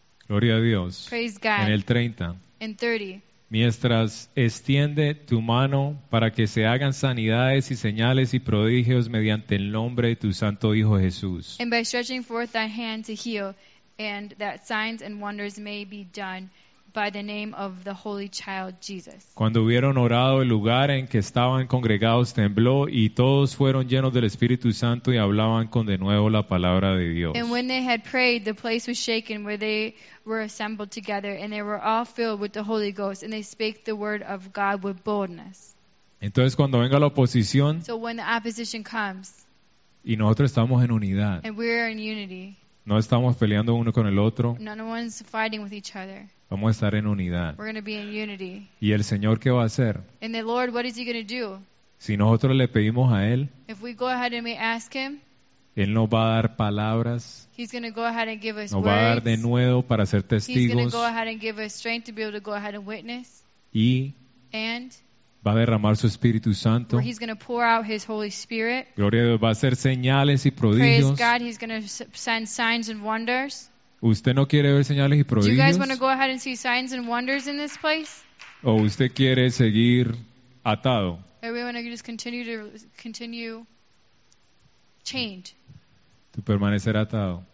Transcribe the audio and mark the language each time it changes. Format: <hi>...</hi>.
<es>Gloria a Dios.</es> <en>Praise God.</en> <es>En el 30.</es> <en>In 30.</en> <es>Mientras extiende tu mano para que se hagan sanidades y señales y prodigios mediante el nombre de tu santo Hijo Jesús.</es> <en>And by stretching forth thy hand to heal, and that signs and wonders may be done by the name of the Holy Child Jesus.</en> <es>Cuando hubieron orado, el lugar en que estaban congregados tembló y todos fueron llenos del Espíritu Santo y hablaban con de nuevo la palabra de Dios.</es> <en>And when they had prayed, the place was shaken where they were assembled together, and they were all filled with the Holy Ghost, and they spake the word of God with boldness.</en> <es>Entonces, cuando venga la oposición,</es> <en>so when the opposition comes,</en> <es>y nosotros estamos en unidad,</es> <en>and we are in unity,</en> <es>no estamos peleando uno con el otro,</es> <en>none one's fighting with each other.</en> <es>Vamos a estar en unidad.</es> <en>We're going to be in unity.</en> <es>¿Y el Señor qué va a hacer?</es> <en>And the Lord, what is he going to do?</en> <es>Si nosotros le pedimos a Él,</es> <en>if we go ahead and we ask him,</en> <es>Él nos va a dar palabras.</es> <en>He's going to go ahead and give us</en> <es>nos va a dar de nuevo para ser testigos.</es> <en>He's going to go ahead and give us strength to be able to go ahead and witness.</en> <es>Y</es> <en>and</en> <es>va a derramar su Espíritu Santo.</es> <en>He's going to pour out his Holy Spirit.</en> <es>Gloria a Dios, va a hacer señales y prodigios.</es> <en>Praise God, he's going to send signs and wonders.</en> <es>¿Usted no quiere ver señales y prodigios?</es> <en>Do you guys want to go ahead and see signs and wonders in this place?</en> <es>¿O usted quiere seguir atado?</es> <en>Or we want to just continue chained.</en> <es>To permanecer atado.</es>